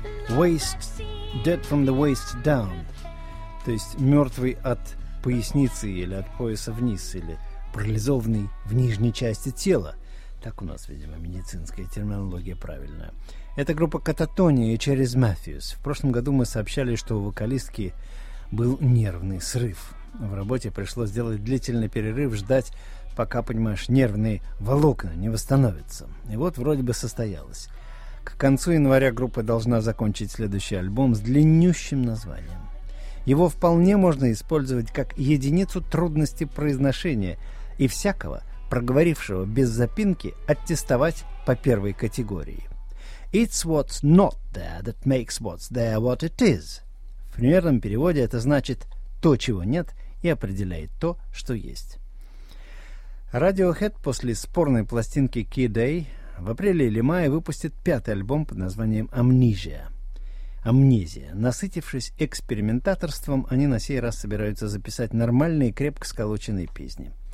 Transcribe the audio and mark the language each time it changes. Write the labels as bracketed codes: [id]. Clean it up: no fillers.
[en] Waist, dead from the waist down. [ru] То есть мертвый от поясницы или от пояса вниз, или парализованный в нижней части тела. Так у нас, видимо, медицинская терминология правильная. Это группа Кататония через Мэтьюс. В прошлом году мы сообщали, что у вокалистки был нервный срыв. В работе пришлось сделать длительный перерыв, ждать, пока, понимаешь, нервные волокна не восстановятся. И вот вроде бы состоялось. К концу января группа должна закончить следующий альбом с длиннющим названием. Его вполне можно использовать как единицу трудности произношения и всякого, проговорившего без запинки, аттестовать по первой категории. [en] It's what's not there that makes what's there what it is. [ru] В примерном переводе это значит «то, чего нет, и определяет то, что есть». Radiohead после спорной пластинки Key Day в апреле или мае выпустит пятый альбом под названием «Amnesia». Амнезия. Насытившись экспериментаторством, они на сей раз собираются записать нормальные, крепко сколоченные песни.